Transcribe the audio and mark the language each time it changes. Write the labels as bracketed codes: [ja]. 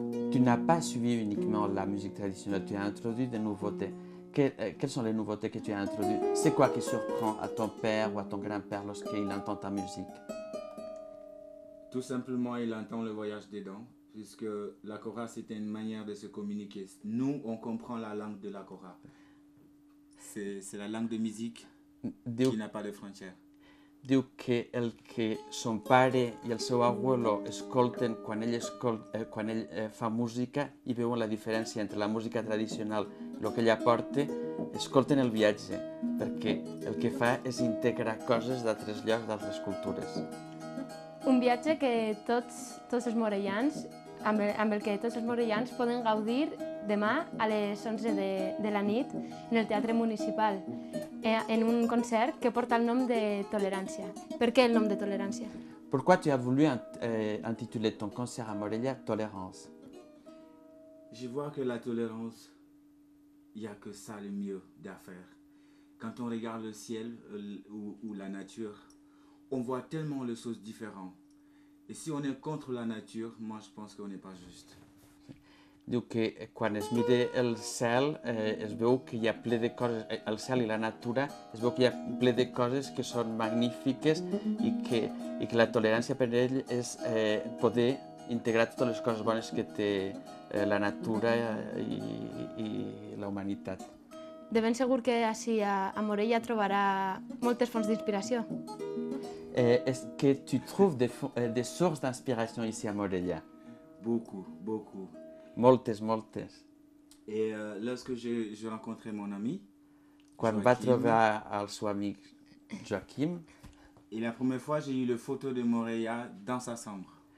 [fr] Tu n'as pas suivi uniquement la musique traditionnelle, tu as introduit des nouveautés. Quelles sont les nouveautés que tu as introduites? C'est quoi qui surprend à ton père ou à ton grand-père lorsqu'il entend ta musique? Tout simplement, il entend le voyage des dents, puisque la cora, c'est une manière de se communiquer. Nous, on comprend la langue de la cora. C'est la langue de musique qui n'a pas de frontières. [ca] Diu que el que son pare i el seu abuelo escolten quan ell fa música i veuen la diferència entre la música tradicional i el que ell aporta, escolten el viatge, perquè el que fa és integrar coses d'altres llocs, d'altres cultures. Un viatge que tots els morellans, amb el que tots els morellans poden gaudir demà a les 11 de la nit en el Teatre Municipal, en un concert que porta el nom de Tolerància. Per què el nom de Tolerància? [fr] Pourquoi tu as voulu intituler ton concert à Morella Tolérance? Je vois que la tolérance, il n'y a que ça le mieux d'affaire. Quand on regarde le ciel ou la nature, on voit tellement les choses différentes. Et si on est contre la nature, moi je pense qu'on n'est pas juste. [ca] Diu que quan es mira el cel es veu que hi ha ple de coses, el cel i la natura, es veu que hi ha ple de coses que són magnífiques i que la tolerància per ell és poder integrar totes les coses bones que té la natura i la humanitat. De ben segur que així a Morella trobarà moltes fonts d'inspiració. [fr] Est-ce que tu trouves des sources d'inspiration ici à Morella? Beaucoup, beaucoup. [ca] Moltes, moltes. [fr] Et lorsque je rencontrais mon ami, [ca] quan va trobar el seu amic Joaquim, [fr] et la première fois j'ai eu la photo de Morella dans sa chambre.